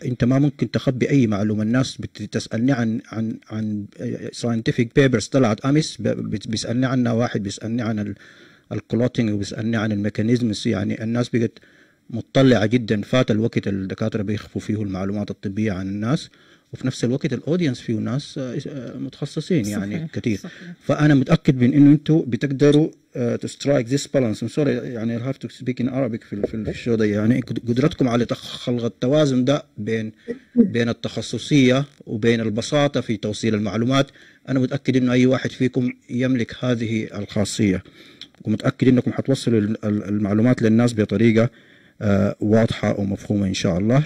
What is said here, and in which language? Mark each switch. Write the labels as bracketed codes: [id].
[ar] انت ما ممكن تخبي اي معلومة. الناس بتسألني عن عن عن scientific papers طلعت أمس، بيسألني عنها واحد، بيسألني عن الكلوتينج، وبيسألني عن الميكانيزمس. يعني الناس بقت مطلعة جدا، فات الوقت الدكاترة بيخفوا فيه المعلومات الطبية عن الناس، وفي نفس الوقت الأودينس فيه ناس متخصصين يعني. صحيح. كتير. صحيح. فأنا متأكد من أنه أنتوا بتقدروا [en] to strike this balance. I'm sorry يعني I have to speak in Arabic [ar] في الشو ده. يعني قدرتكم على خلق التوازن ده بين التخصصية وبين البساطة في توصيل المعلومات. أنا متأكد أنه أي واحد فيكم يملك هذه الخاصية، ومتأكد أنكم حتوصلوا المعلومات للناس بطريقة واضحة ومفهومة إن شاء الله.